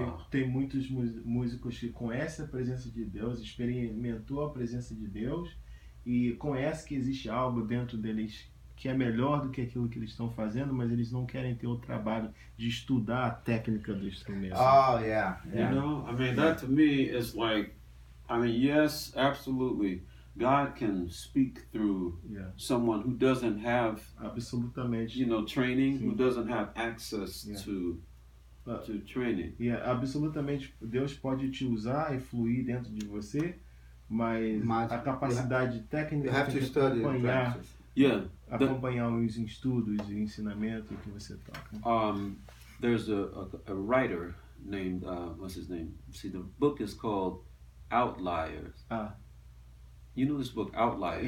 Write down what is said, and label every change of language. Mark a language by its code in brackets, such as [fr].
[pt] Tem muitos músicos que conhecem a presença de Deus, experimentou a presença de Deus e conhecem que existe algo dentro deles que é melhor do que aquilo que eles estão fazendo, mas eles não querem ter o trabalho de estudar a técnica do instrumento. Yeah. [en] You know, I mean, that to me is like, I mean, yes, absolutely. God can speak through someone who doesn't have, [pt] absolutamente, [en] you know, training, who doesn't have access to. To training. [pt] Yeah, absolutamente. Deus pode te usar e fluir dentro de você, mas a capacidade técnica [en] have to study, [pt] acompanhar, yeah, acompanhar os estudos e ensinamentos que você toca. [en] There's a writer named what's his name? See, the book is called Outliers. You know this book, Outliers?